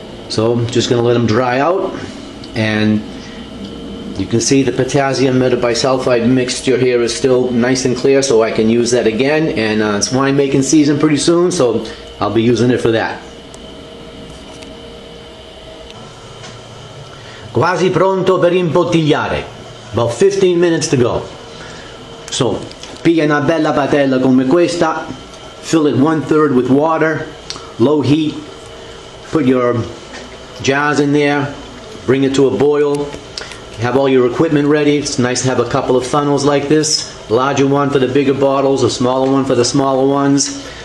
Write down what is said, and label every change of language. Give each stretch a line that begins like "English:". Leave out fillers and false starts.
English: So I'm just going to let them dry out. And you can see the potassium metabisulfite mixture here is still nice and clear, so I can use that again. And it's winemaking season pretty soon, so I'll be using it for that.
Italian: Quasi pronto per imbottigliare.
English: About 15 minutes to go.
Italian: So, piglia una bella padella come questa.
English: Fill it 1/3 with water, low heat. Put your jars in there. Bring it to a boil. Have all your equipment ready. It's nice to have a couple of funnels like this. Larger one for the bigger bottles, a smaller one for the smaller ones.